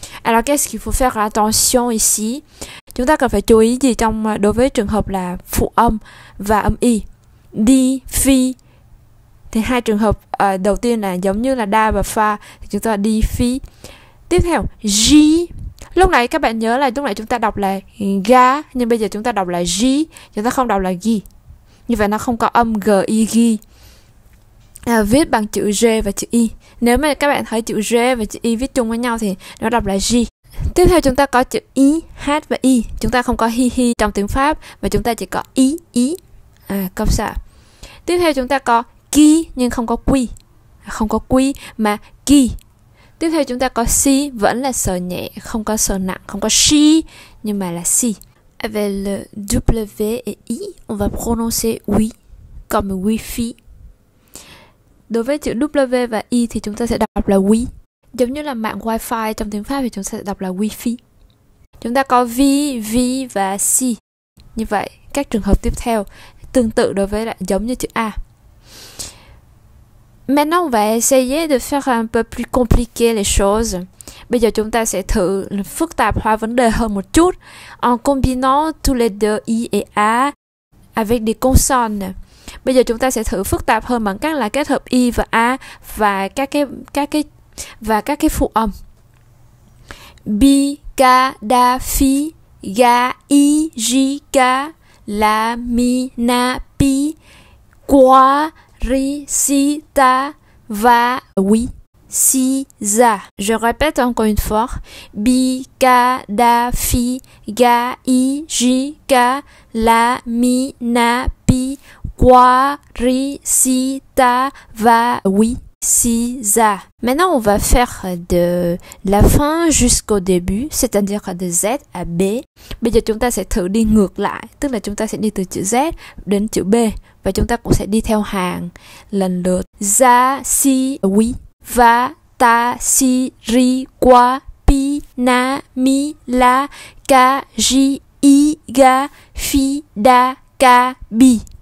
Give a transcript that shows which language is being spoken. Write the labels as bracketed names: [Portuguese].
[French] Alors qu'est-ce qu'il faut faire attention ici? [Vietnamese] Chúng ta cần phải chú ý gì trong đối với trường hợp là phụ âm và âm y? Di, Phi. Thì hai trường hợp đầu tiên là giống như là đa và pha, thì chúng ta đi phi. Tiếp theo, G. Lúc nãy các bạn nhớ là lúc nãy chúng ta đọc là ga, nhưng bây giờ chúng ta đọc là G, chúng ta không đọc là G. Như vậy nó không có âm G, I, G. Viết bằng chữ G và chữ I. Nếu mà các bạn thấy chữ G và chữ I viết chung với nhau thì nó đọc là G. Tiếp theo chúng ta có chữ I, H và I. Chúng ta không có hi hi trong tiếng Pháp, mà chúng ta chỉ có I, I. À, câu xạ. Tiếp theo chúng ta có ki nhưng không có quy, không có quy mà ki. Tiếp theo chúng ta có si, vẫn là sờ nhẹ, không có sờ nặng, không có si nhưng mà là si. [French] Avec le W et I, on va prononcer oui comme wifi. [Vietnamese] Đối với chữ W và I thì chúng ta sẽ đọc là oui, giống như là mạng wifi trong tiếng Pháp thì chúng ta sẽ đọc là wifi. Chúng ta có vi, vi và si. Như vậy các trường hợp tiếp theo tương tự đối với lại giống như chữ A. [French] Maintenant, on va essayer de faire un peu plus compliquer les choses. [Vietnamese] Bây giờ chúng ta sẽ thử phức tạp hóa vấn đề hơn một chút. [French] En combinant tous les deux I et A avec des consonnes. [Vietnamese] Bây giờ chúng ta sẽ thử phức tạp hơn bằng cách là kết hợp I và A và các cái phụ âm. [French] Bi, ga, da, phi, ga, i, j, ga, la, mi, na, pi, qua, ri, si, ta, va, oui, si, za. Je répète encore une fois. Bi, ga, da, fi, ga, i, j, ga, la, mi, na, pi, qua, ri, si, ta, va, oui, si, za. Maintenant, on va faire de la fin jusqu'au début, c'est-à-dire de Z à B. [Vietnamese] Bây giờ chúng ta sẽ thử đi ngược lại, tức là chúng ta sẽ đi từ chữ Z đến chữ B. Và chúng ta cũng sẽ đi theo hàng lần lượt. [French] Za, si, oui. Va, ta, si, ri, qua, pi, na, mi, la, ka, ji, i, ga, fi, da, ka, bi.